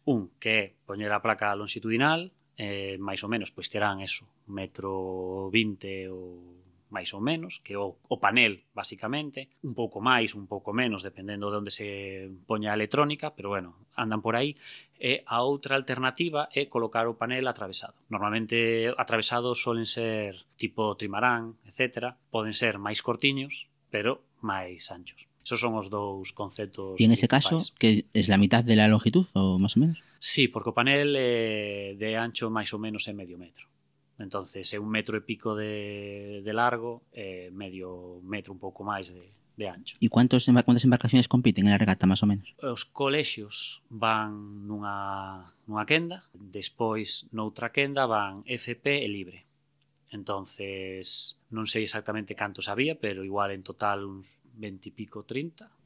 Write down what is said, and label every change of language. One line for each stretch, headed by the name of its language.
Galician: Un, que é poñer a placa longitudinal, máis ou menos, pois terán eso, 1,20 m ou máis ou menos, que o panel, basicamente, un pouco máis, un pouco menos, dependendo de onde se poña a electrónica, pero bueno, andan por aí. E a outra alternativa é colocar o panel atravesado. Normalmente atravesados solen ser tipo trimarán, etc. Poden ser máis cortiños, pero máis anchos. Esos son os dous conceptos. E en ese caso, que é a mitad da longitud, ou máis ou menos? Sí, porque o panel de ancho máis ou menos é 0,5 m. Entón, é 1 m e pico de largo, medio metro un pouco máis de ancho.
Spanish: ¿Y cuántas embarcaciones compiten en la regata, más o menos?
Galician: Os colexios van nunha quenda, despois noutra quenda van FP e libre. Entonces, non sei exactamente cantos había, pero igual en total uns 20 y pico, 30.